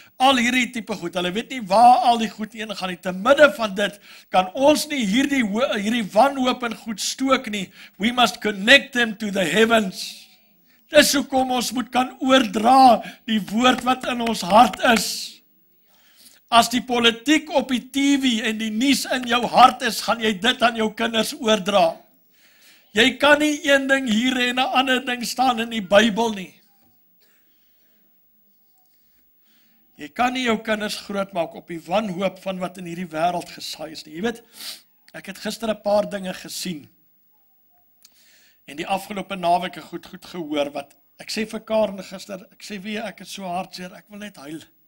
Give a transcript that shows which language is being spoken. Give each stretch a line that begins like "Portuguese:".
Afrikaans: Al hierdie tipe goed, hulle weet nie waar al die goed heen gaan nie. Te midde van dit kan ons nie hierdie wanhoop en goed stook nie.
English: We must connect them to the heavens.
Afrikaans: Dis hoekom ons moet kan oordra die woord wat in ons hart is. As die politiek op die TV en die nuus in jou hart is, gaan jy dit aan jou kinders oordra. Jy kan nie een ding hier en een ander ding staan in die Bybel nie. Jy kan nie jou kinders groot maak op die wanhoop van wat in hierdie wêreld gesaai is nie. Jy weet, ek het gister 'n paar dinge gesien en die afgelope naweke goed gehoor wat ek sê vir Karen gister, ek sê weer, ek is so hartseer, ek wil net huil.